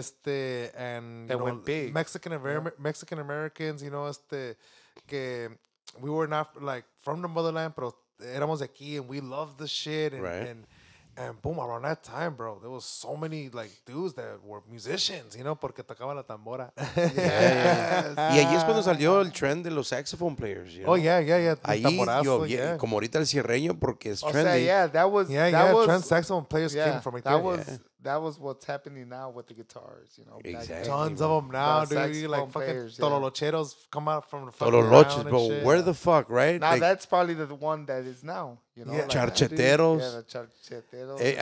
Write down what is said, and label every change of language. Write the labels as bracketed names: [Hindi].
[English] Mexican Americans, you know, que we were not like from the motherland, [Spanish] pero éramos de aquí [English] and we loved the shit. And boom, around that time, bro, there was so many like dudes that were musicians, you know, [Spanish] porque tocaba la tambora. Yeah. Y ahí es cuando salió el trend de los saxophone players, you know? [English] Oh, yeah. [Spanish] Ahí, como ahorita el cierreño, porque es trendy. O sea, [English] trend saxophone players came from right there. That was what's happening now with the guitars, you know. Exactly. Tons of them now, dude. Like fucking tololocheros come out from the fucking Tololoches, bro. Where the fuck, right? Now that's probably the one that is now, you know. Yeah. Charcheteros. Yeah, the charcheteros.